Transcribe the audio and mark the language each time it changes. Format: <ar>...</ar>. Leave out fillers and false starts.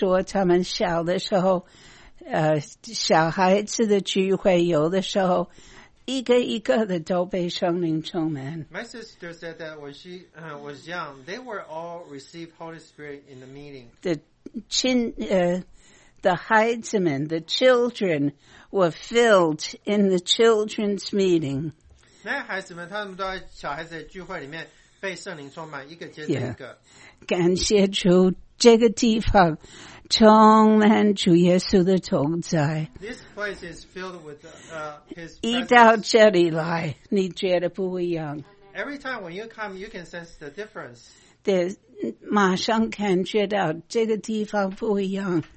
<zh>我姐姐说他们小的时候 小孩子的聚会，有的时候一个一个的都被圣灵充满。</zh> <en>My sister said that when she was young, they were all received Holy Spirit in the meeting. The children were filled in the children's meeting.</en> <zh>那孩子们，他们都在小孩子的聚会里面被圣灵充满，一个接着一个。感谢主，这个地方。充满主耶稣的同在。</zh> <en>This place is filled with his presence.</en> <zh>一到这里来，你觉得不一样。</zh> <en>Every time when you come, you can sense the difference.</en> <zh>对，马上感觉到这个地方不一样。</zh>